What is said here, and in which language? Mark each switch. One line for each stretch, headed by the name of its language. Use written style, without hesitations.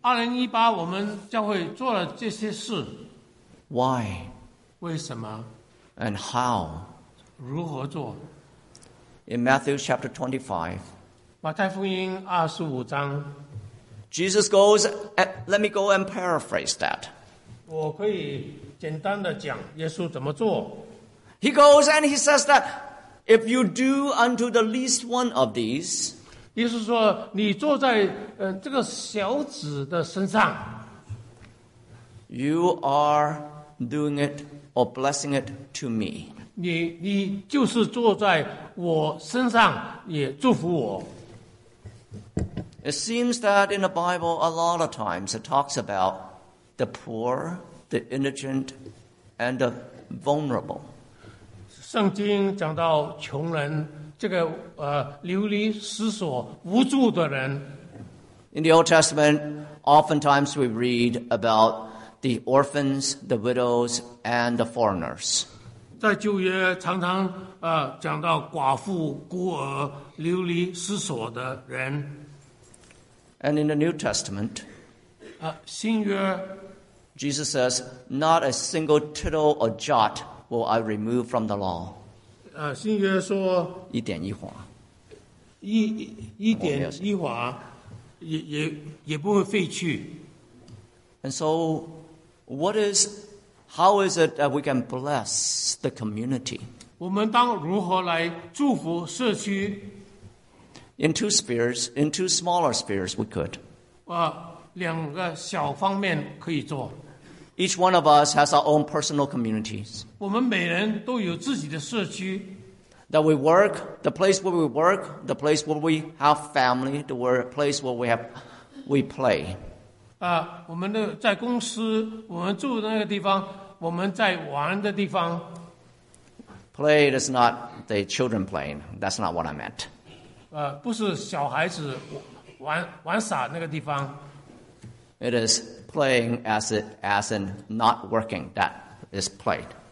Chinese: 2018我们教会做了这些事。
English: Why?
Chinese: 为什么?
English: And how?
Chinese: 如何做?
English: In Matthew chapter 25,
Chinese: 马太福音二十五章
English: Jesus goes, let me go and paraphrase that.
Chinese: 我可以简单地讲耶稣怎么做。
English: He goes and he says that if you do unto the least one of these,
Chinese: 意思说你坐在这个小子的身上,
English: you are doing it or blessing it to me.
Chinese: 你就是坐在我身上也祝福我。
English: It seems that in the Bible, a lot of times it talks about the poor, the indigent, and the vulnerable.
Chinese: 圣经讲到穷人, 这个流离失所无助的人。
English: In the Old Testament, oftentimes we read about the orphans, the widows, and the foreigners.
Chinese: 在旧约常常, 讲到寡妇、孤儿、流离失所的人。
English: And in the New Testament,
Chinese: 新约,
English: Jesus says, not a single tittle or jot will I remove from the law.
Chinese: 新约说, 一点一划, 一点一划, 也不会废去。
English: And so, how is it that we can bless the community?
Chinese: 我们当如何来祝福社区?
English: In two smaller spheres, we could.
Chinese: 两个小方面可以做。
English: Each one of us has our own personal communities.
Chinese: 我们每人都有自己的社区。
English: That we work, the place where we work, the place where we have family, the place where we play.
Chinese: 我们的在公司, 我们住的那个地方, 我们在玩的地方。
English: Play is not the children playing. That's not what I meant.
Chinese: 不是小孩子玩耍那个地方。
English: It is playing as in not working that is played.